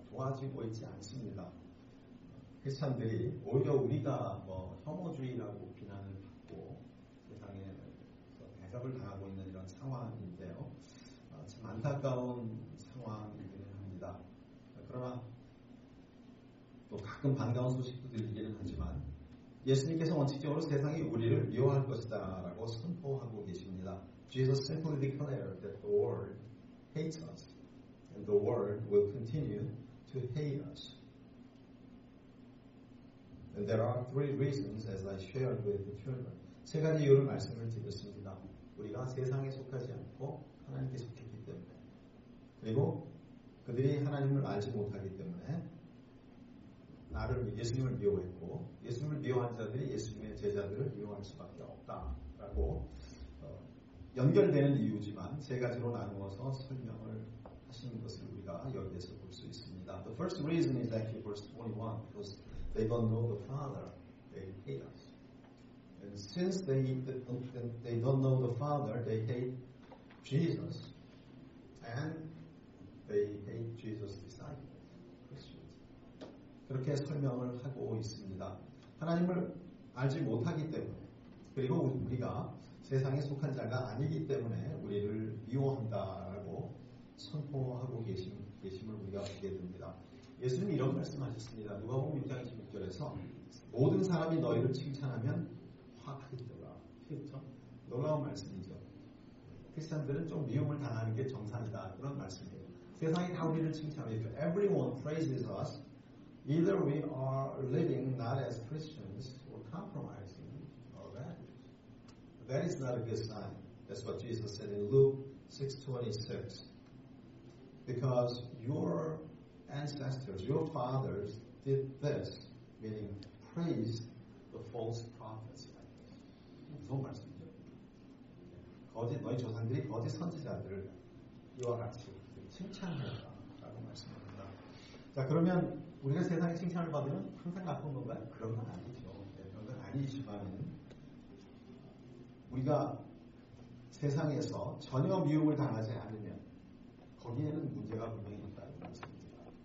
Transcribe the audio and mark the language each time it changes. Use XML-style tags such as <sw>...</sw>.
<ko>좋아지고 있지 않습니다. 크리스찬들이 오히려 우리가 뭐 혐오주의라고 비난을 받고 세상에 대접을 당하고 있는 이런 상황인데요. 참 안타까운 상황이기는 합니다. 그러나 또 가끔 반가운 소식도 들리기는 하지만 예수님께서 원칙적으로 세상이 우리를 미워할 것이다 라고 선포하고 계십니다.</ko> <en>Jesus simply declared that the world hates us and the world will continue to hate us. And there are three reasons as I shared with the children.</en> <ko>세 가지 이유를 말씀을 드렸습니다. 우리가 세상에 속하지 않고 하나님께 속했기 때문에 그리고 그들이 하나님을 알지 못하기 때문에 나를 예수님을 미워했고 예수님을 미워한 자들이 예수님의 제자들을 미워할 수밖에 없다라고 연결되는 이유지만 세 가지로 나누어서 설명을 하시는 것을 우리가 여기에서 볼 수 있습니다.</ko> <en>The first reason is actually verse 21 because they don't know the Father, they hate us. And since they don't know the Father, they hate Jesus, and they hate Jesus' disciples, Christians.</en> <ko>그렇게 설명을 하고 있습니다. 하나님을 알지 못하기 때문에 그리고 우리가 세상에 속한 자가 아니기 때문에 우리를 미워한다라고 선포하고 계심을 우리가 보게 됩니다. 예수님 이런 말씀하셨습니다. 누가복음 6장 16절에서 모든 사람이 너희를 칭찬하면 화가겠더라. 그렇죠? 놀라운 말씀이죠. 크리스찬들은 좀 미움을 당하는 게 정상이다. 그런 말씀이에요. 세상이 다 우리를 칭찬해요.</ko> <en>Everyone praises us. Either we are living not as Christians or compromising our values. That is not a good sign. That's what Jesus said in Luke 6:26. Because your ancestors, your fathers did this, meaning praise the false prophets.</en> <ko>무슨 말씀이죠? 거짓 너희 조상들이 거짓 선지자들 이와 같이 칭찬하라라고 말씀합니다. 자 그러면 우리가 세상에 칭찬을 받으면 항상 나쁜 건가요? 그런 건 아니죠. 그런 건 아니지만 우리가 세상에서 전혀 미움을 당하지 않으면 거기에는 문제가 분명히 있다는 것입니다.</ko>